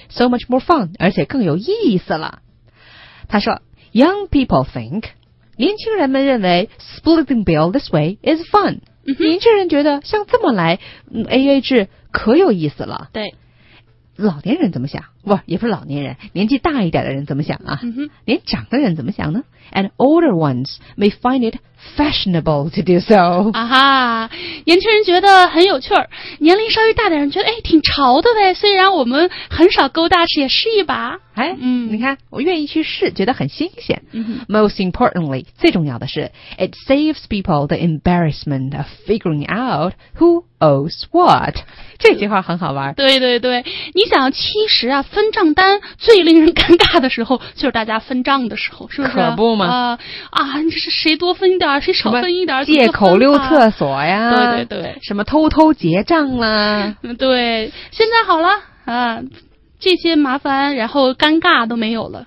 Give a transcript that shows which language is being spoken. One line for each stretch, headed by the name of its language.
English: ，so much more fun，
Chinese: 而且更有意思了。他说
English: ，young people think，
Chinese: 年轻人们认为
English: splitting bill this way is fun。
Chinese: 年轻人觉得像这么来 AA 制可有意思了。对，老年人怎么想？不，也不是老年人，年纪大一点的人怎么想啊？嗯哼，年长的人怎么想呢？
English: And older ones may find it fashionable to do so.
Chinese: 啊哈，年轻人觉得很有趣儿，年龄稍微大点人觉得，哎，挺潮的呗。虽然我们很少勾搭，也试一把。哎，嗯，你看，我愿意去试，觉得很新鲜。嗯哼，
English: Most importantly,
Chinese: 最重要的是
English: it saves people the embarrassment of figuring out who owes what.
Chinese: 这句话很好玩。对对对，你想，其实啊，分账单最令人尴尬的时候，就是大家分账的时候，是不是？可不嘛。啊，这是谁多分点，谁少分一点，借口溜厕所呀，对对对，什么偷偷结账啦，对，现在好了啊，这些麻烦然后尴尬都没有了。